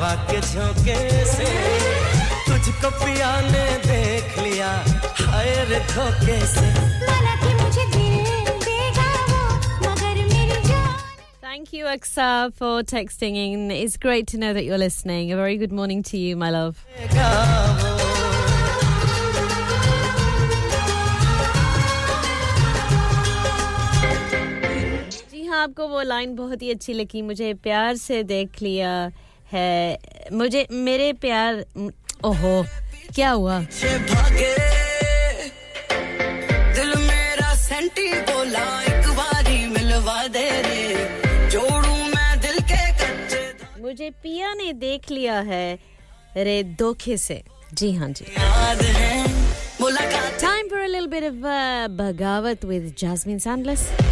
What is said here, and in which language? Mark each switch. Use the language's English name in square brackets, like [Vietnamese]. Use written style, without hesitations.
[Hindi] के झोंके से तुझको पिया ने देख लिया हाय रे धोखे से माना कि मुझे दिल देगा वो मगर मेरी जान [English] Thank you Aksa for texting in it's great to know that you're listening a very good morning to you my love [Hindi] जी हां आपको वो लाइन बहुत ही अच्छी लगी मुझे प्यार से देख लिया है मुझे मेरे प्यार ओहो क्या हुआ भागे दिल मेरा सेंटी बोला एक बारी मिलवा दे रे जोड़ू मैं दिल के कच्चे मुझे पिया ने देख लिया है रे धोखे से जी हां जी [English] time for a little bit of बगावत with Jasmine Sandlas